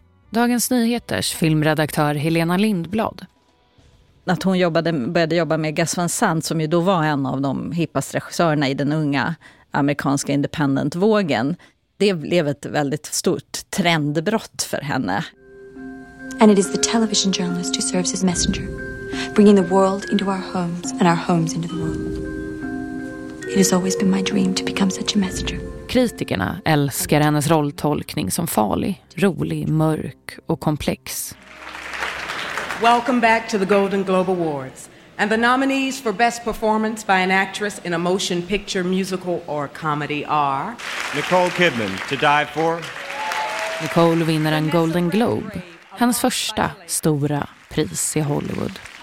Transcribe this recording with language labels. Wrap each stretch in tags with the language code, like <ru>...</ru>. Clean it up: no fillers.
<sv>Dagens Nyheters filmredaktör Helena Lindblad. Att hon började jobba med Gus Van Sant som ju då var en av de hippaste regissörerna i den unga amerikanska independent-vågen. Det blev ett väldigt stort trendbrott för henne.</sv> <en>And it is the television journalist who serves as messenger. Bringing the world into our homes and our homes into the world. It has always been my dream to become such a messenger.</en> <sv>Kritikerna älskar hennes rolltolkning som farlig, rolig, mörk och komplex.</sv> <en>Welcome back to the Golden Globe Awards. And the nominees for Best Performance by an Actress in a Motion Picture, Musical, or Comedy are... Nicole Kidman, To Die For.</en> <sv>Nicole vinner en Golden Globe, hennes första stora pris i Hollywood.</sv>